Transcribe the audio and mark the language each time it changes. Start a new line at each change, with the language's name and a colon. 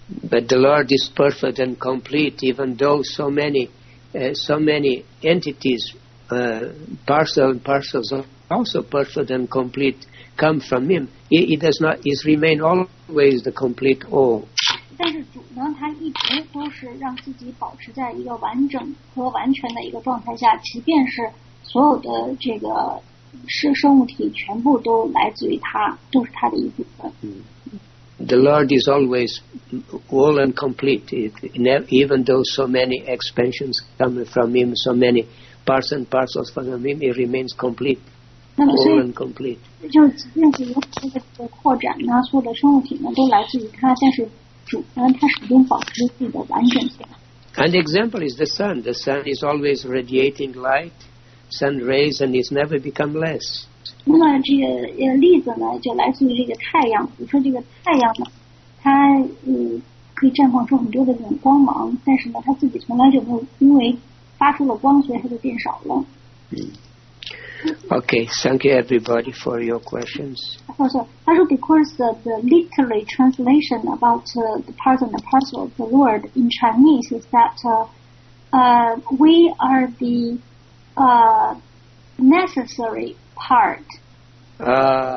English: But the Lord is perfect and complete, even though so many entities, parcels are also perfect and complete, come from Him. It remain always the complete all.
Chinese: 但是主呢，他一直都是让自己保持在一个完整和完全的一个状态下，即便是所有的这个生物体全部都来自于他，都是他的一部分。
English: The Lord is always whole and complete, even though so many expansions come from Him, so many parts and parcels from Him, it remains complete, whole and complete.
Chinese: 就即便是有这个扩展呢，所有的生物体呢都来自于他，但是。
English: And example is the sun. The sun is always radiating light, sun rays, and it's never become less.
Chinese: 那么这个例子呢，就来自于这个太阳。你说这个太阳呢，它可以绽放出很多的这种光芒，但是呢，它自己从来就没有因为发出了光，所以它就变少了。
English: Okay, thank you everybody for your questions. Also, because the literary translation about the part and the parcel of the Lord in Chinese is that we are the necessary part.